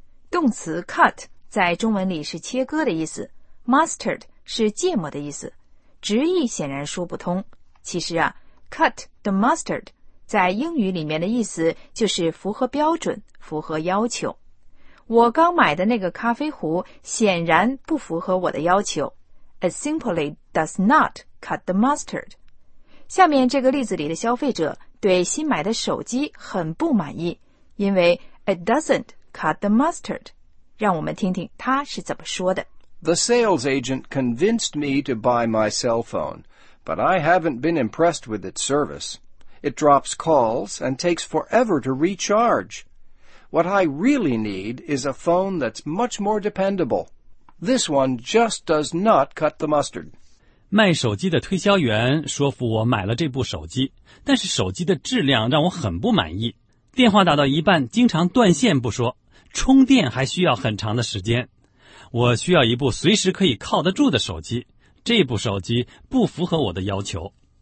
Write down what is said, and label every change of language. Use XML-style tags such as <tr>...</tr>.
<zh>动词 cut 在中文里是切割的意思， mustard 是芥末的意思，直译显然说不通。其实啊，Cut the mustard 在英语里面的意思就是符合标准，符合要求。我刚买的那个咖啡壶显然不符合我的要求。</zh> <en>It simply does not cut the mustard.</en> <zh>下面这个例子里的消费者对新买的手机很不满意，因为</zh> <en>It doesn't cut the mustard.</en> <zh>让我们听听他是怎么说的。</zh> <en>The sales agent convinced me to buy my cell phone. But I haven't been impressed with its service. It drops calls and takes forever to recharge. What I really need is a phone that's much more dependable. This one just does not cut the mustard.</en> <zh>卖手机的推销员说服我买了这部手机，但是手机的质量让我很不满意。电话打到一半经常断线不说，充电还需要很长的时间。我需要一部随时可以靠得住的手机。这部手机不符合我的要求。</zh>